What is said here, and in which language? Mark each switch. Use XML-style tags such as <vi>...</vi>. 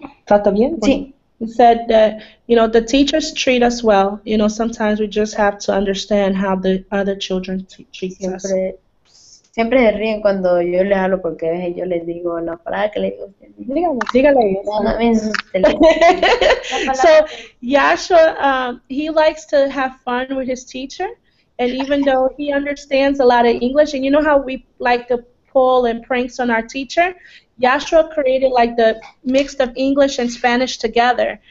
<en>He said that, you know, the teachers treat us well. You know, sometimes we just have to understand how the other children treat us.</en> <es>Siempre se ríen cuando yo les hablo porque a veces yo les digo la palabra que les digo. Dígale.</es> <en>So, Yashua, he likes to have fun with his teacher, and even though he understands a lot of English, and you know how we like to pull and pranks on our teacher, Yashua created like the mix of English and Spanish together.</en>